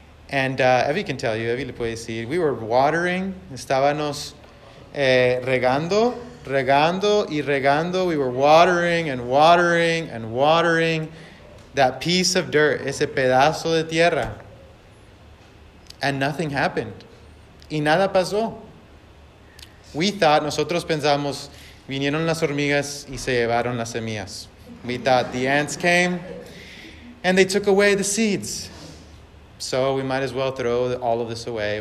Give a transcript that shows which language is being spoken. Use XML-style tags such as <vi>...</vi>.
<en>And Evie can tell you,</en> <es>Evie le puede decir,</es> <en>we were watering,</en> <es>estábamos regando,</es> <en>we were watering and watering and watering that piece of dirt,</en> <es>ese pedazo de tierra.</es> <en>And nothing happened.</en> <es>Y nada pasó.</es> <en>We thought,</en> <es>nosotros pensamos, vinieron las hormigas y se llevaron las semillas.</es> <en>We thought the ants came and they took away the seeds. So we might as well throw all of this away.</en>